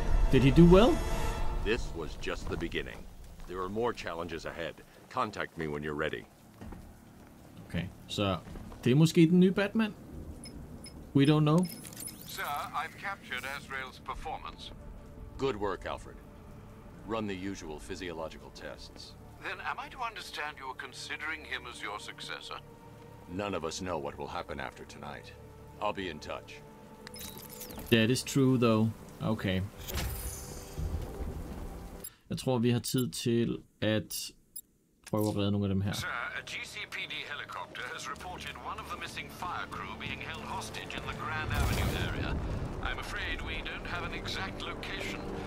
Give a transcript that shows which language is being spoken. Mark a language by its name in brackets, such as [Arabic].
[English] Did he do well? This was just the beginning. There are more challenges ahead. Contact me when you're ready. [Danish] Okay, så det er måske den nye Batman? [English] We don't know. Sir, I've captured Azrael's performance. Good work, Alfred. Run the usual physiological tests. Then am I to understand you are considering him as your successor? None of us know what will happen after tonight. I'll be in touch. That is true, though. Okay. [Danish] Jeg tror, vi har tid til at prøve at redde nogle af dem her. [English] Sir, a GCPD helicopter has reported one of the missing fire crew being held hostage in the Grand Avenue area. I'm afraid we don't have an exact location.